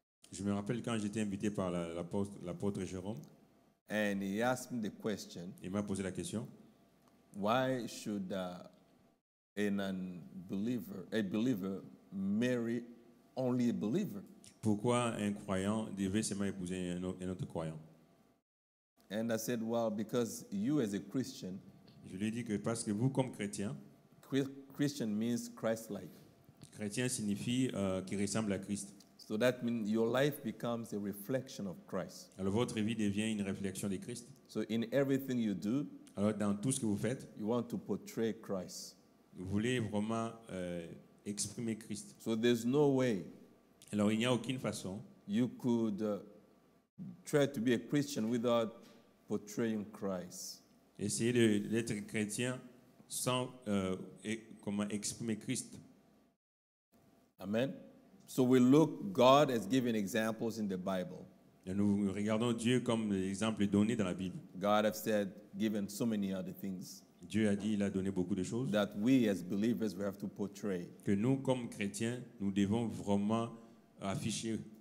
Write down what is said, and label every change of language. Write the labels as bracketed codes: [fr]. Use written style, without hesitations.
[fr] Je me rappelle quand j'étais invité par l'apôtre Jérôme. [en] And he asked me the question. [fr] Il m'a posé la question. [en] Why should a believer marry only a believer? [fr] Pourquoi un croyant devait seulement épouser un autre croyant? [en] And I said, well, because you as a Christian. [fr] Je lui ai dit que parce que vous comme chrétien. [en] Christian means Christ-like. [fr] Chrétien signifie qui ressemble à Christ. [en] So that means your life becomes a reflection of Christ. [fr] Alors votre vie devient une réflexion de Christ. [en] So in everything you do. [fr] Alors dans tout ce que vous faites. [en] You want to portray Christ. [fr] Vous voulez vraiment exprimer Christ. [en] So there's no way. [fr] Alors il n'y a aucune façon. [en] You could try to be a Christian without portraying Christ. [fr] Essayer d'être chrétien sans comment exprimer Christ. [en] Amen. So we look God as giving examples in the Bible. [fr] Et nous regardons Dieu comme l'exemple donné dans la Bible. [en] God has said given so many other things. [fr] Dieu a dit, il a donné beaucoup de choses. [en] That we as believers we have to portray. [fr] Que nous comme chrétiens nous devons vraiment afficher.